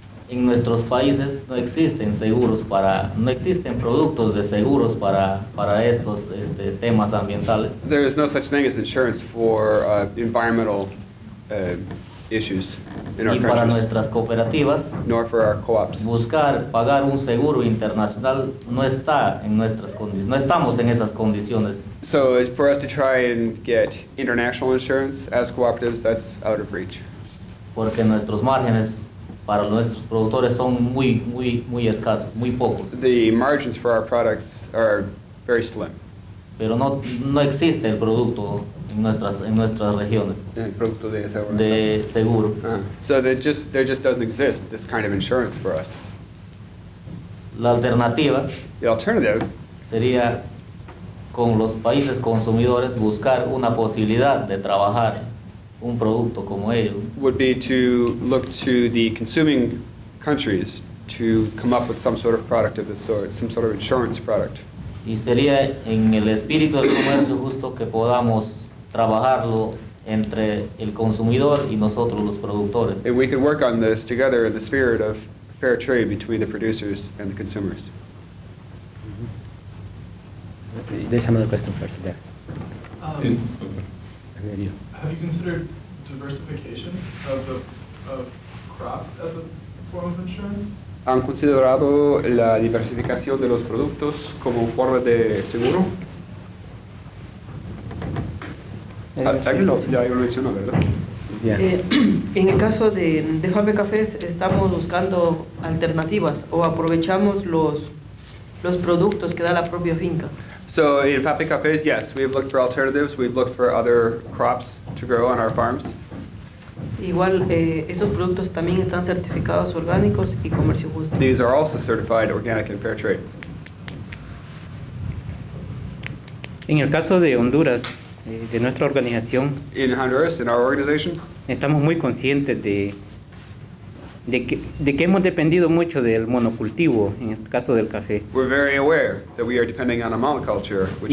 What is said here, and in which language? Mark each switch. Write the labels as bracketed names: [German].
[Spanish] En nuestros países no existen productos de seguros para estos temas ambientales. [English] There is no such thing as insurance for environmental issues in our [Spanish] y para nuestras cooperativas, [English] nor for our co-ops. [Spanish] Buscar pagar un seguro internacional no está en nuestras condiciones, no estamos en esas condiciones. [English] So for us to try and get international insurance as cooperatives, that's out of reach. [Spanish] Porque nuestros márgenes para nuestros productores son muy, muy, muy escasos, muy pocos. [English] The margins for our products are very slim. [Spanish] Pero no existe el producto en nuestras regiones. El producto de seguro. De seguro. [English] So there just doesn't exist this kind of insurance for us. [Spanish] La alternativa. [English] The alternative. [Spanish] Sería con los países consumidores buscar una posibilidad de trabajar un producto como ellos. [English] Would be to look to the consuming countries to come up with some sort of product of this sort, some sort of insurance product. [Spanish] Y sería en el espíritu del comercio justo que podamos trabajarlo entre el consumidor y nosotros los productores. [English] And we could work on this together in the spirit of fair trade between the producers and the consumers. There's another question first, yeah. Have you considered diversification of crops as a form of insurance? [Spanish] ¿Han considerado la diversificación de los productos como forma de seguro? En el caso de Fabe Cafés estamos buscando alternativas o aprovechamos los productos que da la propia finca. [English] So in Fabe Cafés, yes, we've looked for alternatives. We've looked for other crops to grow on our farms. [Spanish] Igual, esos productos también están certificados orgánicos y comercio justo. [English] These are also certified organic and fair trade. [Spanish] En el caso de Honduras, de nuestra organización, [English] in Honduras, in our organization, [Spanish] estamos muy conscientes de que hemos dependido mucho del monocultivo, en el caso del café. [English] We're very aware that we are depending on a monoculture, which